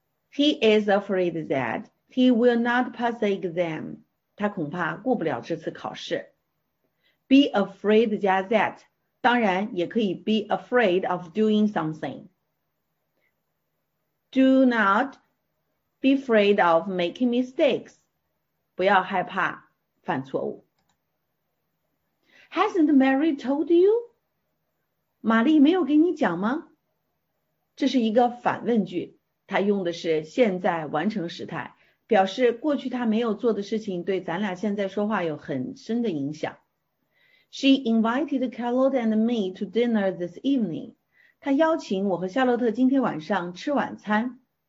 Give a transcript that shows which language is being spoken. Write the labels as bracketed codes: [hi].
[en] He is afraid that he will not pass the exam. [zh] 他恐怕过不了这次考试。 [en] Be afraid 加 that， [zh] 当然也可以 [en] be afraid of doing something. Do not be afraid of making mistakes. [zh] 不要害怕。犯错误。 [en] Hasn't Mary told you? [zh] 玛丽没有给你讲吗？这是一个反问句，它用的是现在完成时态，表示过去她没有做的事情对咱俩现在说话有很深的影响。 [en] She invited Charlotte and me to dinner this evening. [zh] 她邀请我和夏洛特今天晚上吃晚餐。